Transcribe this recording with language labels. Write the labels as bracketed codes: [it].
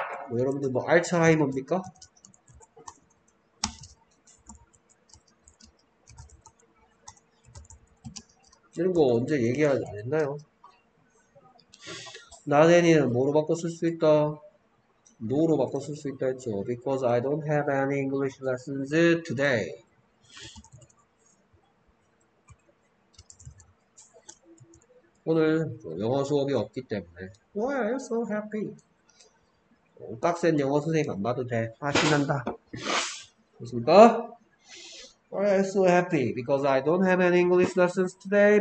[ko] 뭐 여러분들 뭐 알츠하이머입니까? 이런 거 언제 얘기하지 않았나요? 나대니는 뭐로 바꿔 쓸수 있다? 노로 바꿔 쓸수 있다 했죠. [en] Because I don't have any English lessons today. [ko] 오늘 영어 수업이 없기 때문에. [en] Why are you so happy? [ko] 빡센 영어 선생님 안 봐도 돼. 아, 신난다. 좋습니까? [en] Why are you so happy? Because I don't have any English lessons today.